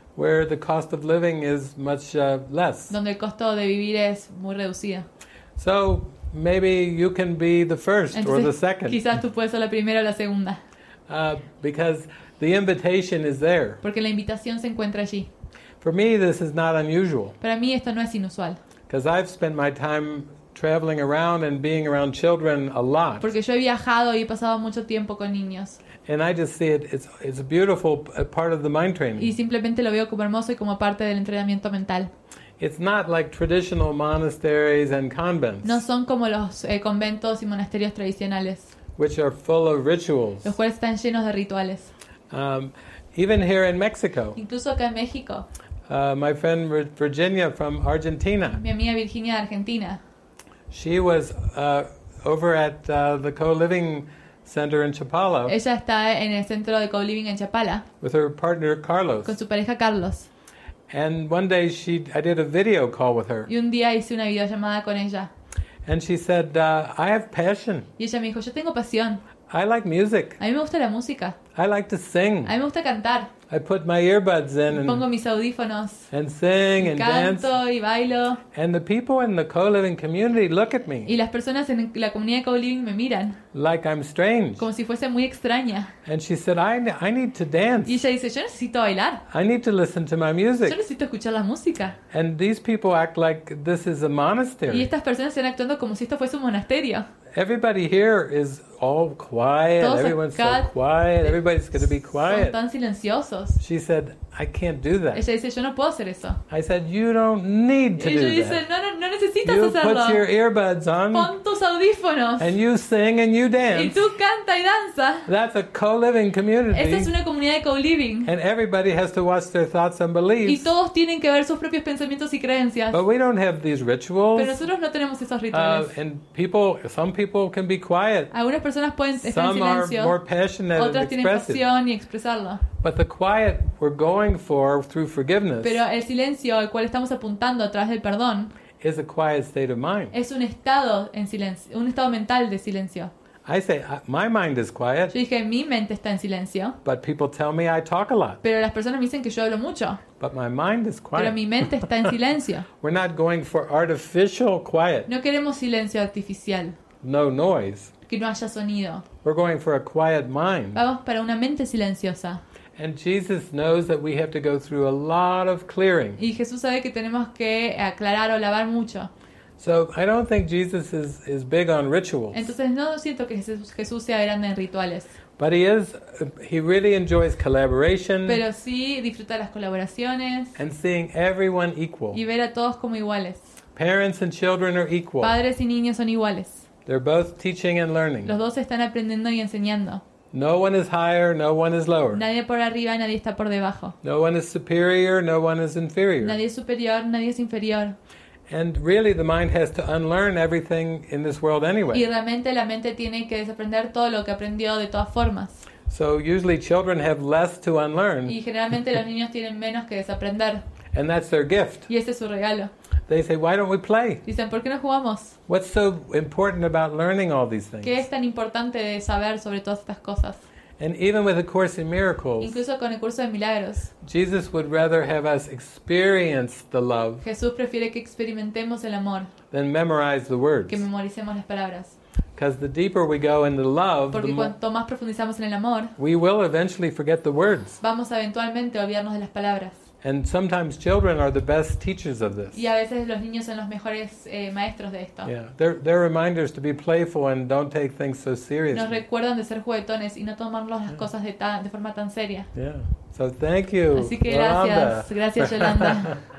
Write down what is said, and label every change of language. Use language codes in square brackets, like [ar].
[en] Where the cost of living is much less. [es] Donde el costo de vivir es muy reducido. [en] So maybe you can be the first. [es] Entonces, [en] or the second. [es] Quizás tú puedes ser la primera o la segunda. [en] Because the invitation is there. [es] Porque la invitación se encuentra allí. [en] For me, this is not unusual. [es] Para mí esto no es inusual. [en] Because I've spent my time traveling around and being around children a lot. [es] Porque yo he viajado y he pasado mucho tiempo con niños. [en] And I just see it's a beautiful part of the mind training. [es] Y simplemente lo veo como hermoso y como parte del entrenamiento mental. [en] It's not like traditional monasteries and convents. [es] No son como los conventos y monasterios tradicionales. [en] Which are full of rituals. [es] Los cuales están llenos de rituales. [en] Even here in Mexico. [es] Incluso acá en México. [en] My friend Virginia from Argentina. [es] Mi amiga Virginia de Argentina. [en] She was over at the co-living center in Chapala. [es] Ella está en el centro de co-living en Chapala. [en] With her partner Carlos. [es] Con su pareja Carlos. [en] And one day I did a video call with her. [es] Y un día hice una videollamada con ella. [en] And she said, "I have passion." [es] Y ella me dijo, "Yo tengo pasión." [en] I like music. [es] A mí me gusta la música. [en] I like to sing. [es] A mí me gusta cantar. [en] I put my earbuds in [es] y pongo mis audífonos. [en] And sing and [es] canto [en] dance. [es] Y bailo. [en] And the people in the co-living community look at me. [es] Y las personas en la comunidad de co-living me miran. [en] Like I'm strange. [es] Como si fuese muy extraña. [en] And she said, I need to dance. [es] Y ella dice, yo necesito bailar. [en] I need to listen to my music. [es] Yo necesito escuchar la música. [en] And these people act like this is a monastery. [es] Y estas personas están actuando como si esto fuese un monasterio. [en] Everybody here is all quiet. [es] Todos [en] everyone's so quiet. Everybody's going to be quiet. [es] Son tan silenciosos. [en] She said, I can't do that. [es] Ella dice, yo no puedo hacer eso. [en] I said, you don't need to [es] ella [en] do [es] dice, [en] that. [es] No, no, no necesitas [en] you [es] hacerlo. [en] Put your earbuds on. [es] Pon tus audífonos. [en] And you sing and you dance. [es] Y tú canta y danza. [en] That's a co-living community. [es] Esta es una comunidad de co-living. [en] And everybody has to watch their thoughts and beliefs. [es] Y todos tienen que ver sus propios pensamientos y creencias. [en] But we don't have these rituals. [es] Pero nosotros no tenemos esos rituales. [en] And some people can be quiet. [es] Algunas personas pueden estar [en] some [es] en silencio. [en] Are more passionate [es] otras [en] and [es] tienen pasión y expresarlo. [en] But the quiet we're going for through forgiveness. [es] Pero el silencio al cual estamos apuntando a través del perdón [en] is a quiet state of mind. [es] Es un estado en silencio, un estado mental de silencio. [en] I say my mind is quiet. [es] Yo dije mi mente está en silencio. [en] But people tell me I talk a lot. [es] Pero las personas me dicen que yo hablo mucho. [en] But my mind is quiet. [es] Pero mi mente está en silencio. [en] We're not going for artificial quiet. [es] No queremos silencio artificial. [en] No noise. [es] Que no haya sonido. [en] We're going for a quiet mind. [es] Vamos para una mente silenciosa. [en] And Jesus knows that we have to go through a lot of clearing. [es] Y Jesús sabe que tenemos que aclarar o lavar mucho. [en] So I don't think Jesus is big on rituals. [es] Entonces no siento que Jesús sea grande en rituales. [en] But he really enjoys collaboration. [es] Pero sí disfruta las colaboraciones. [en] And seeing everyone equal. [es] Y ver a todos como iguales. [en] Parents and children are equal. [es] Padres y niños son iguales. [en] They're both teaching and learning. [es] Los dos están aprendiendo y enseñando. [en] No one is higher, no one is lower. [es] Nadie por arriba, nadie está por debajo. [en] No one is superior, no one is inferior. [es] Nadie es superior, nadie es inferior. [en] And really the mind has to unlearn everything in this world anyway. [es] Y realmente la mente tiene que desaprender todo lo que aprendió de todas formas. [en] So usually children have less to unlearn. [es] Y generalmente los niños tienen menos que desaprender. [en] And that's their gift. [es] Y ese es su regalo. [en] They say, why don't we play? [es] Dicen, ¿por qué no jugamos? [en] What's so important about learning all these things? [es] ¿Qué es tan importante de saber sobre todas estas cosas? [en] And even with the Course in Miracles, [es] incluso con el curso de milagros, [en] Jesus would rather have us experience the love, [es] Jesús prefiere que experimentemos el amor, [en] than memorize the words. [es] Que memoricemos las palabras. [en] Because the deeper we go in the love, [es] porque cuanto más profundizamos en el amor, [en] we will eventually forget the words. [es] Vamos a eventualmente olvidarnos de las palabras. [en] And sometimes children are the best teachers of this. [es] Y a veces los niños son los mejores maestros de esto. [en] Yeah, they're reminders to be playful and don't take things so seriously. [es] Nos recuerdan de ser juguetones y no tomarlos las cosas de forma tan seria. [en] Yeah, so thank you. [es] Así que gracias, Gracias, Yolanda.